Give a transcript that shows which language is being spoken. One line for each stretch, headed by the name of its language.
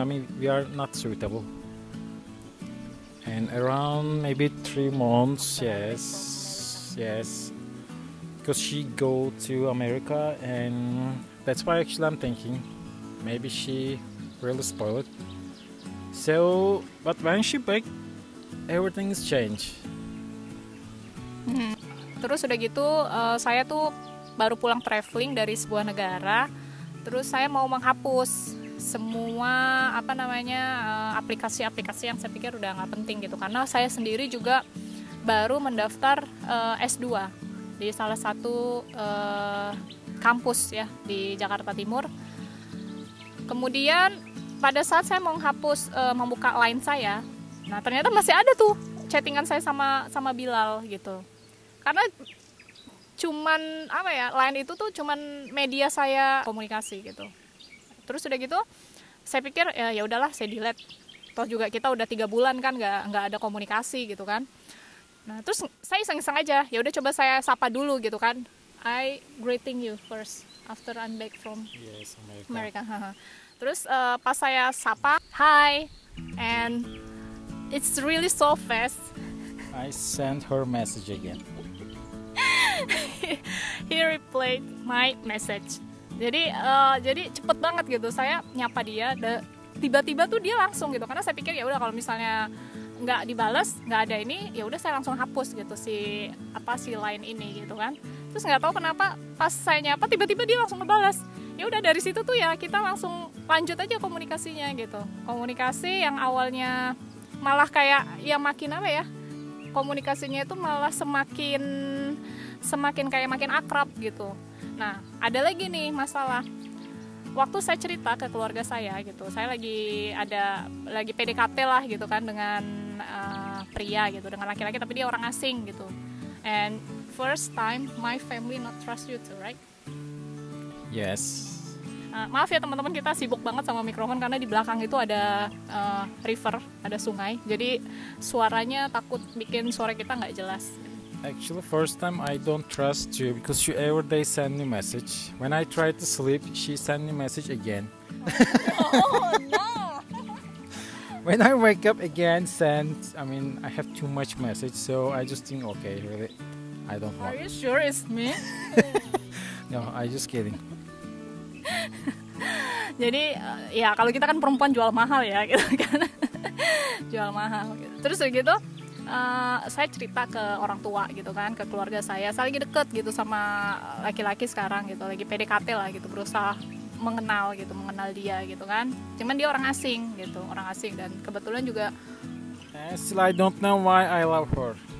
English: I mean, we are not suitable. And around maybe 3 months, yes. Because she go to America, and that's why actually I'm thinking maybe she really spoiled. So, but when she back, everything is changed.
Indonesian: Terus udah gitu, saya tuh baru pulang traveling dari sebuah negara. Terus saya mau menghapus semua aplikasi-aplikasi yang saya pikir udah nggak penting gitu. Karena saya sendiri juga baru mendaftar S2 di salah satu kampus ya di Jakarta Timur. Kemudian pada saat saya mau menghapus membuka line saya, nah ternyata masih ada tuh chattingan saya sama Bilal gitu. Karena cuman line itu tuh cuman media saya komunikasi gitu. Terus udah gitu saya pikir ya udahlah saya delete. Toh juga kita udah 3 bulan kan enggak ada komunikasi gitu kan. Nah, terus saya iseng-iseng aja, ya udah coba saya sapa dulu gitu kan.
English: I greeting you first after I'm back from America.
Indonesian: Terus pas saya sapa,
English: "Hi." And it's really so fast. I sent her message again. He replied my message.
Indonesian: Jadi cepet banget gitu saya nyapa dia. Tiba-tiba tuh dia langsung gitu. Karena saya pikir ya udah kalau misalnya nggak dibales, nggak ada ini, ya udah saya langsung hapus gitu si line ini gitu kan. Terus nggak tahu kenapa pas saya nyapa tiba-tiba dia langsung ngebales. Ya udah dari situ tuh ya kita langsung lanjut aja komunikasinya gitu. Komunikasi yang awalnya malah kayak ya makin apa ya? Komunikasinya itu malah semakin kayak makin akrab gitu. Nah, ada lagi nih masalah. Waktu saya cerita ke keluarga saya gitu, saya lagi PDKT lah gitu kan dengan pria gitu, dengan laki-laki tapi dia orang asing gitu.
English: And first time my family not trust you too, right? Yes.
Indonesian: Maaf ya teman-teman, kita sibuk banget sama mikrofon karena di belakang itu ada river, ada sungai. Jadi suaranya takut bikin suara kita enggak jelas.
English: Actually first time I don't trust you because you every day send me message. When I try to sleep, she send me message again. Oh no. When I wake up again I have too much message, so I just think okay, really I don't want. Are you sure it's me? No, I'm just kidding.
Indonesian: Jadi ya kalau kita kan perempuan jual mahal ya gitu kan. Jual mahal gitu. Terus gitu saya cerita ke orang tua gitu kan, ke keluarga saya lagi deket gitu sama laki-laki sekarang gitu, lagi PDKT lah gitu, berusaha mengenal gitu, mengenal dia gitu kan. Cuman dia orang asing gitu, orang asing dan kebetulan juga
English: still I don't know why I love her.